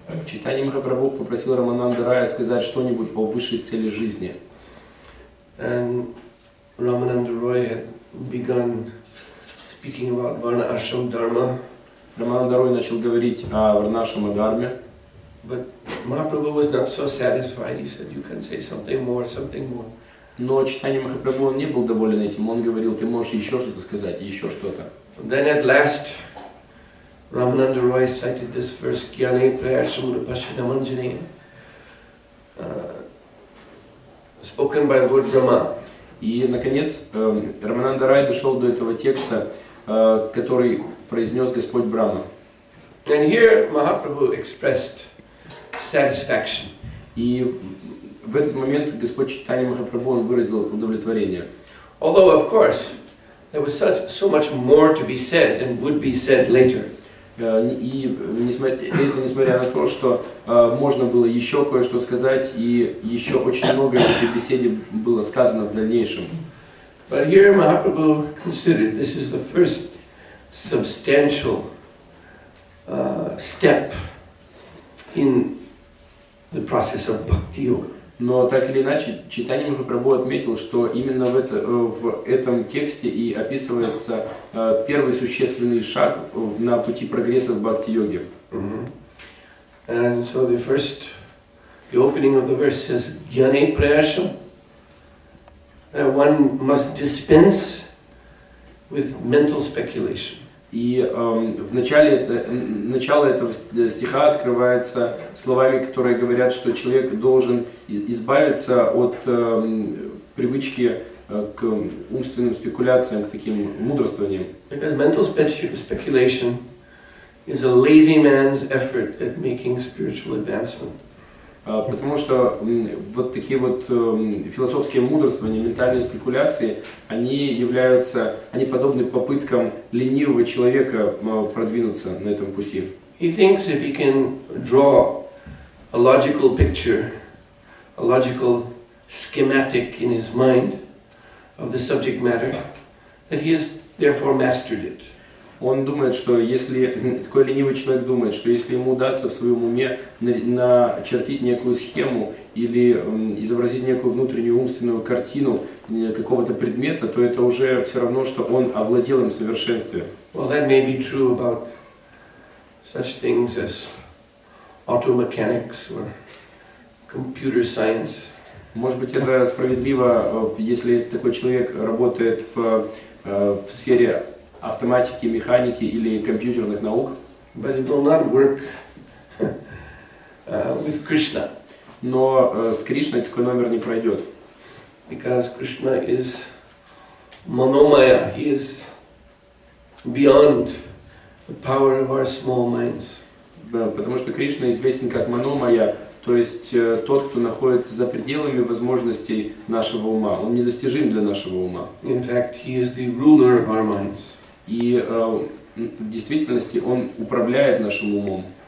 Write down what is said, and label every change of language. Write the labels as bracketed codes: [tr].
[ru] Чайтанья Махапрабху попросил Рамананда Рая сказать что-нибудь о высшей цели жизни. [en] And Рамананда Рай had begun speaking about Varna Ashram Dharma. [ru] Рамананда Рой начал говорить о Варна Ашрама Дхарме. [en] But Mahaprabhu was not so satisfied. He said, you can say something more, something more. [ru] Но Чайтанья Махапрабху не был доволен этим. Он говорил, ты можешь еще что-то сказать, еще что-то. [en] Then at last, Рамананда Рой cited this verse, Gyane Prayasam Rupashya Namanjane, spoken by Lord Brahma. [ru] И, наконец, Рамананда Рай дошел до этого текста, который произнес Господь Брама. [en] And here Mahaprabhu expressed satisfaction. [ru] И в этот момент Господь Чайтанья Махапрабху выразил удовлетворение. [en] Although, of course, there was so much more to be said and would be said later. [ru] И несмотря на то, что можно было еще кое-что сказать, и еще очень много в этой беседе было сказано в дальнейшем. [en] But here Mahaprabhu considered this is the first substantial step in the process of bhakti yoga. [ru] Но так или иначе, Чайтанья Махапрабху отметил, что именно в этом тексте и описывается первый существенный шаг на пути прогресса в бхакти-йоге. [en] And so the first The opening of the verse says, Gyane Prayasham, that one must dispense with mental speculation. [ru] И в начале, начало этого стиха открывается словами, которые говорят, что человек должен избавиться от привычки к умственным спекуляциям, к таким мудрствованиям. [en] Because mental speculation is a lazy man's effort at making spiritual advancement. [ru] Потому что вот такие вот философские мудрствования, ментальные спекуляции, они являются, они подобны попыткам ленивого человека продвинуться на этом пути. [en] He thinks if he can draw a logical picture, a logical schematic in his mind of the subject matter, that he has therefore mastered it. [ru] Он думает, что если такой ленивый человек думает, что если ему удастся в своем уме начертить некую схему или изобразить некую внутреннюю умственную картину какого-то предмета, то это уже все равно, что он овладел им в совершенстве. [en] Well, that may be true about such things as auto mechanics or computer science. [ru] Может быть, это справедливо, если такой человек работает в сфере автоматики, механики или компьютерных наук. [en] But it will not work with Krishna. [ru] Но с Кришной такой номер не пройдет. [en] Because Krishna is monomaya, he is beyond the power of our small minds. [ru] Потому что Кришна известен как Мономая, то есть тот, кто находится за пределами возможностей нашего ума. Он недостижим для нашего ума. [en] In fact, he is the ruler of our minds. [ru] И в действительности он управляет нашим умом.